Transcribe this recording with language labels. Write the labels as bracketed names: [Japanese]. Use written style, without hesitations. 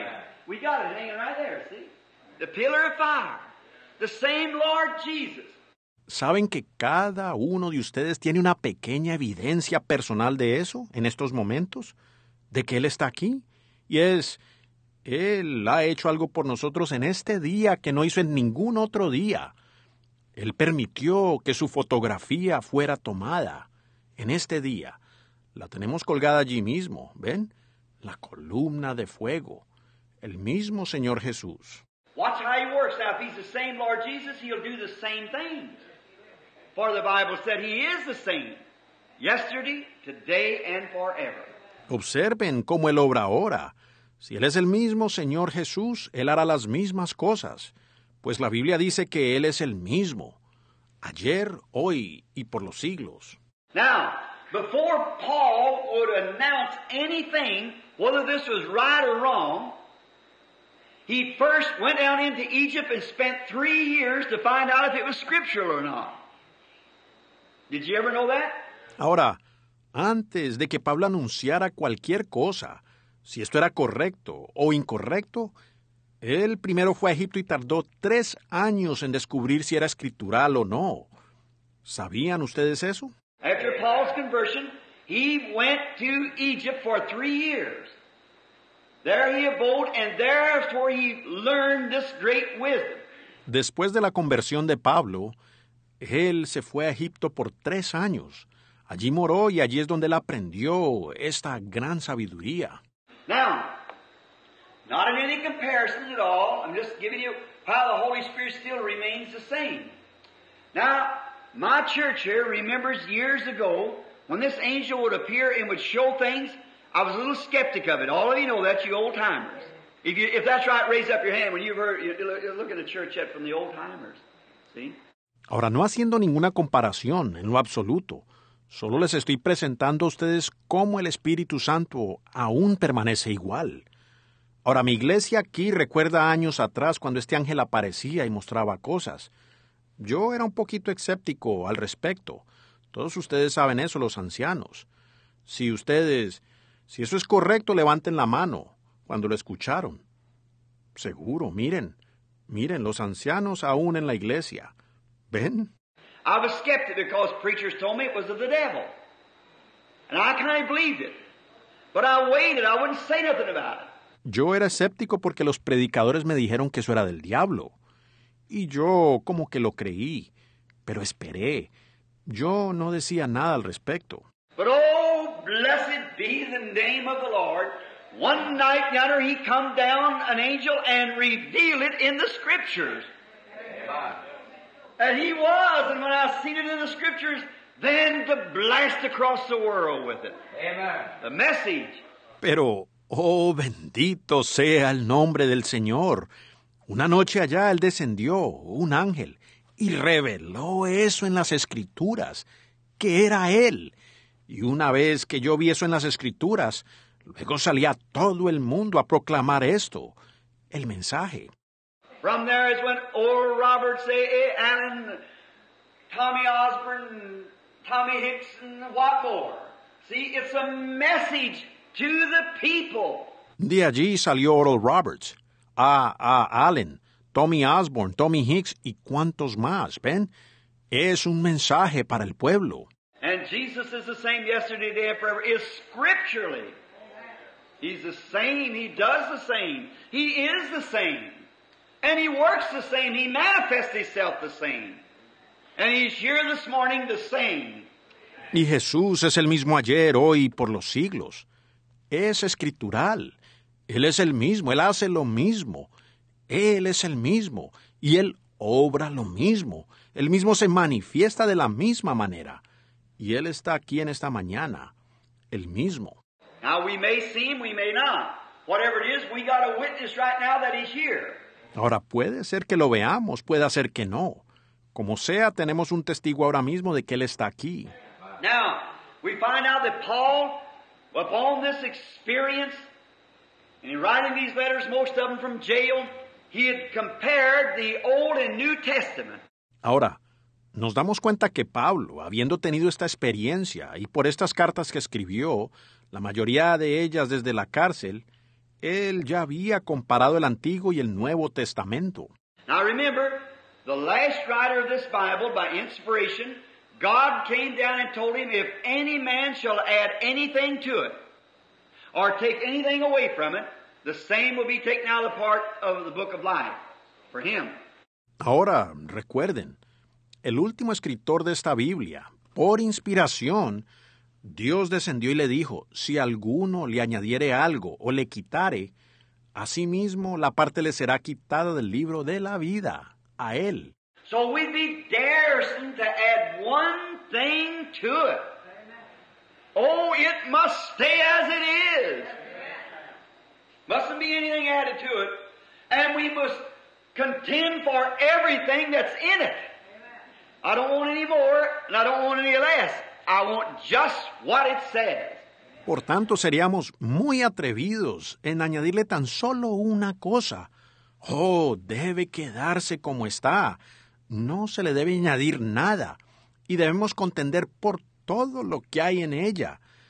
[English] Amen. We got it hanging right there, see? The pillar of fire. The same Lord Jesus. [Spanish] ¿Saben que cada uno de ustedes tiene una pequeña evidencia personal de eso en estos momentos? ¿De que Él está aquí? Y es, Él ha hecho algo por nosotros en este día que no hizo en ningún otro día. Él permitió que su fotografía fuera tomada en este día. La tenemos colgada allí mismo, ¿ven? La columna de fuego. El mismo Señor Jesús. [English] Watch how he works. Now, if he's the same Lord Jesus, he'll do the same thing. For the Bible said he is the same yesterday, today, and forever. [Spanish] Observen cómo él obra ahora. Si él es el mismo Señor Jesús, él hará las mismas cosas. Pues la Biblia dice que él es el mismo, ayer, hoy, y por los siglos. [English] Now, before Paul would announce anything, whether this was right or wrong, he first went down into Egypt and spent 3 years to find out if it was scriptural or not. Did you ever know that? [Spanish] Ahora, antes de que Pablo anunciara cualquier cosa, si esto era correcto o incorrecto, él primero fue a Egipto y tardó 3 años en descubrir si era escritural o no. ¿Sabían ustedes eso? [English] After Paul's conversion, he went to Egypt for 3 years. There he abode, and therefore he learned this great wisdom. [Spanish] Después de la conversión de Pablo, él se fue a Egipto por 3 años. Allí moró y allí es donde él aprendió esta gran sabiduría. [English] Now, not in any comparison at all, I'm just giving you how the Holy Spirit still remains the same. Now, my church here remembers years ago when this angel would appear and would show things. I was a little skeptic of it. All of you know that, you old timers. If that's right, raise up your hand when you've heard, you're looking at church yet from the old timers. See? [Spanish] Ahora, no haciendo ninguna comparación en lo absoluto, solo les estoy presentando a ustedes cómo el Espíritu Santo aún permanece igual. Ahora, mi iglesia aquí recuerda años atrás cuando este ángel aparecía y mostraba cosas. Yo era un poquito escéptico al respecto. Todos ustedes saben eso, los ancianos. Si eso es correcto, levanten la mano cuando lo escucharon. Seguro, miren, los ancianos aún en la iglesia. ¿Ven? [English] I was skeptic because preachers told me it was of the devil. And I kind of believed it. But I waited. I wouldn't say nothing about it. [Spanish] Yo era escéptico porque los predicadores me dijeron que eso era del diablo. Y yo como que lo creí, pero esperé. Yo no decía nada al respecto. [English] But oh, blessed be the name of the Lord. One night or another, he come down an angel and revealed it in the scriptures. And he was, and when I seen it in the scriptures, then the blast across the world with it. Amen. The message. [Spanish] Pero, oh, bendito sea el nombre del Señor. Una noche allá, él descendió, un ángel, y reveló eso en las escrituras, que era él. Y una vez que yo vi eso en las escrituras, luego salía todo el mundo a proclamar esto, el mensaje. [English] From there is when Oral Roberts, A.A. Allen, Tommy Osborne, Tommy Hicks, and Watmore. See, it's a message to the people. [Spanish] De allí salió Oral Roberts, A.A. Allen, Tommy Osborne, Tommy Hicks, y cuantos más, ¿ven? Es un mensaje para el pueblo. [English] And Jesus is the same yesterday, today, and forever. Is scripturally. He's the same. He does the same. He is the same. And he works the same. He manifests himself the same. And he's here this morning the same. [Spanish] Y Jesús es el mismo ayer, hoy y por los siglos. Es escritural. Él es el mismo. Él hace lo mismo. Él es el mismo. Y él obra lo mismo. Él mismo se manifiesta de la misma manera. Y él está aquí en esta mañana. El mismo. [English] Now we may see him, we may not. Whatever it is, we got a witness right now that he's here. [Spanish] Ahora, puede ser que lo veamos, puede ser que no. Como sea, tenemos un testigo ahora mismo de que él está aquí. [English] Now, we find out that Paul, upon this experience, in writing these letters, most of them from jail, he had compared the Old and New Testament. [Spanish] Ahora, nos damos cuenta que Pablo, habiendo tenido esta experiencia, y por estas cartas que escribió, la mayoría de ellas desde la cárcel, él ya había comparado el Antiguo y el Nuevo Testamento. [English] Now remember, the last writer of this Bible, by inspiration, God came down and told him, if any man shall add anything to it, or take anything away from it, the same will be taken out of the part of the book of life, for him. [Spanish] Ahora, recuerden, el último escritor de esta Biblia, por inspiración, Dios descendió y le dijo, si alguno le añadiere algo o le quitare, a sí mismo la parte le será quitada del libro de la vida, a él. [English] So we'd be daring to add one thing to it. Oh, it must stay as it is. Mustn't be anything added to it. And we must contend for everything that's in it. I don't want any more and I don't want any less. I want just what it says. [Spanish] Por tanto, seríamos muy atrevidos en añadirle tan solo una cosa. Oh, debe quedarse como está. No se le debe añadir nada. Y debemos contender por todo lo que hay en ella.